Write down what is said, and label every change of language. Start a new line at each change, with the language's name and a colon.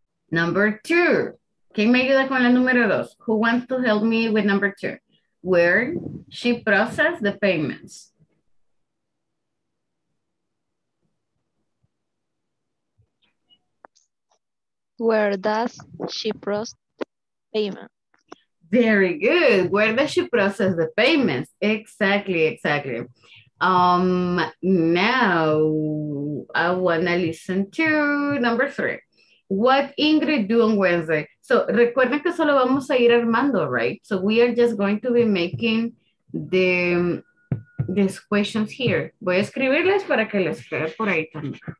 English: Number two,
Spanish: ¿quién me ayuda con la número dos?
English: Who wants to help me with number two? Where she process the payments? Where does she process payments? Very good. Where does she process the payments? Exactly, exactly. Now I want to listen to number three. What Ingrid do on Wednesday?
Spanish: So, recuerden que solo vamos a ir armando, right?
English: So, we are just going to be making the these questions here.
Spanish: Voy a escribirles para que les quede por ahí también.